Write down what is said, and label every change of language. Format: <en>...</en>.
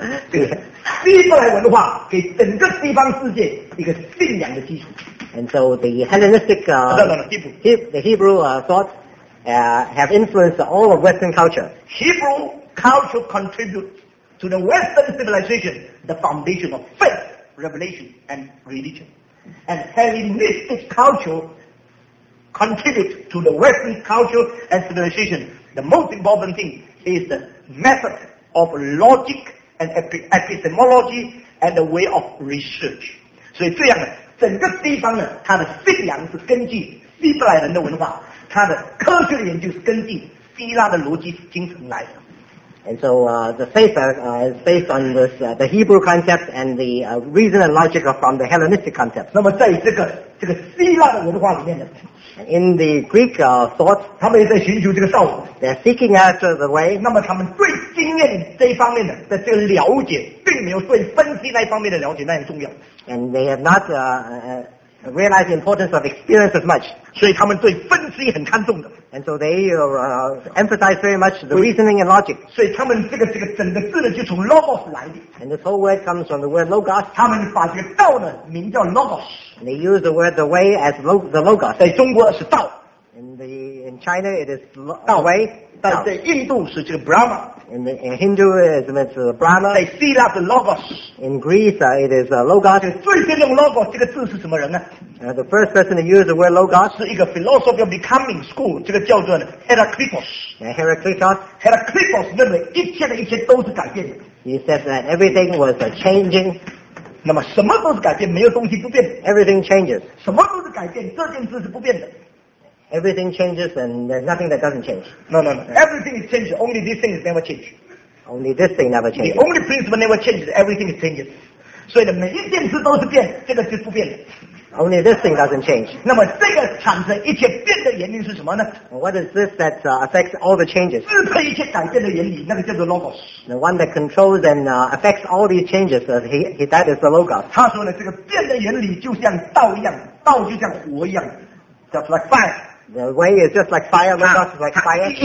<zh>对，西方来文化给整个西方世界一个信仰的基础。</zh> <en>And so the Hellenistic, the Hebrew thoughts have influenced all of Western culture. Hebrew culture contributes to the Western civilization, the foundation of faith, revelation, and religion. And Hellenistic culture contributes to the Western culture and civilization. The most important thing is the method. Of logic and epistemology and the way of research.</en> <zh>所以这样呢，整个西方呢，它的信仰是根据希伯来人的文化，它的科学的研究是根据希腊的逻辑精神来的。</zh> <en>And so the faith is based on this, the Hebrew concept and the reason and logic from the Hellenistic concept.</en> <zh>那么在这个希腊的文化里面呢</zh> <en>，In the Greek thought,</en> <zh>他们也在寻求这个道路。</zh> <en>They're seeking after the way.</en> <zh>那么他们对经验这一方面的这个了解，并没有对分析那一方面的了解那样重要。</zh> <en>And they have not realize the importance of experience as much.</en> <zh>所以他们对分析很看重的。</zh> <en>And so they emphasize very much the reasoning and logic.</en> <zh>所以他们这个整个字呢就从 logos 来的。</zh> <en>And this whole word comes from the word logos.</en> <zh>他们把这个道呢名叫 logos.</zh> <en>And they use the word the way as the logos.</en> <zh>在中国是道。</zh> <en>In China it is the way.</en> <zh>但在印度是这个 Brahma.</zh> <en>In Hinduism it's the Brahma.</en> <zh>在希腊是 logos.</zh> <en>In Greece it is logos.</en> <zh>最先用 logos 这个字是什么人呢？</zh> <en>The first person to use the word logos</en> <zh>是一个</zh> <en>philosophy of becoming school，</en> <zh>这个叫做 Heraclitus。</zh> <en>Heraclitus。</en> <zh>Heraclitus 认为一切的一切都是改变的。</zh> <en>He said that everything was changing。</en> <zh>那么什么都是改变，没有东西不变。</zh> <en>Everything changes。</en> <zh>什么都是改变，这件事是不变的。</zh> <en>Everything changes and there's nothing that doesn't change. No. Everything is changing. Only this thing is never changed. Only this thing never changes. The only principle never changes. Everything is changing.</en> <zh>所以每一件事都是变，这个是不变的。</zh> <en>Only this thing doesn't change.</en> <zh>那么这个产生一切变的原因是什么呢</zh> <en>？What is this that affects all the changes?</en> <zh>支配一切改变的原理，那个叫做 logos.</zh> <en>The one that controls and affects all these changes, that is the logos.</en> <zh>他说呢，这个变的原理就像道一样，道就像火一样 ，</zh> <en>just like fire. The way is just like fire, logos is like fire.</en>